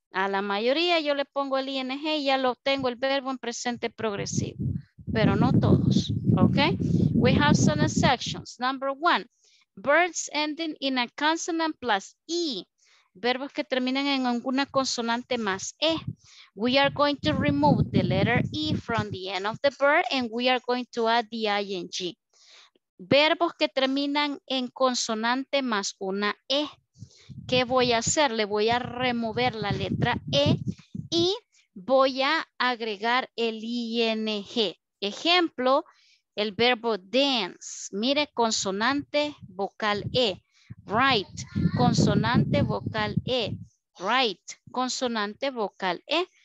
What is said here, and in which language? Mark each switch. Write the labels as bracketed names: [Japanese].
[Spanish] A la mayoría yo le pongo el ING y ya lo tengo el verbo en presente progresivo. Pero no todos. [English] Okay? We have some exceptions. Number one. Verbs ending in a consonant plus E. [Spanish] Verbos que terminan en alguna consonante más E. [English] We are going to remove the letter E from the end of the verb and we are going to add the ING. [Spanish] Verbos que terminan en consonante más una E. ¿Qué voy a hacer? Le voy a remover la letra E y voy a agregar el ING. Ejemplo, el verbo dance, mire, consonante, vocal E, write, consonante, vocal E, write, consonante, vocal E.